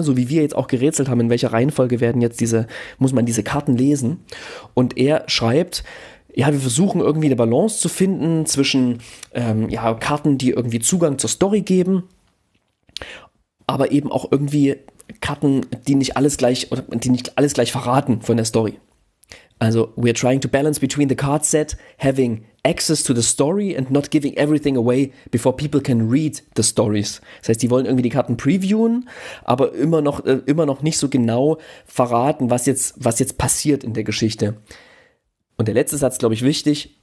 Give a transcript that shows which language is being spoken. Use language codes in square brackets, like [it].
[de] Ne? So wie wir jetzt auch gerätselt haben, in welcher Reihenfolge werden jetzt muss man diese Karten lesen. Und er schreibt, ja, wir versuchen irgendwie eine Balance zu finden zwischen Karten, die irgendwie Zugang zur Story geben, aber eben auch irgendwie Karten, die nicht alles gleich verraten von der Story. [en] Also, we're trying to balance between the card set having access to the story and not giving everything away before people can read the stories. [de] Das heißt, die wollen irgendwie die Karten previewen, aber immer noch nicht so genau verraten, was jetzt passiert in der Geschichte. Und der letzte Satz, glaube ich, wichtig.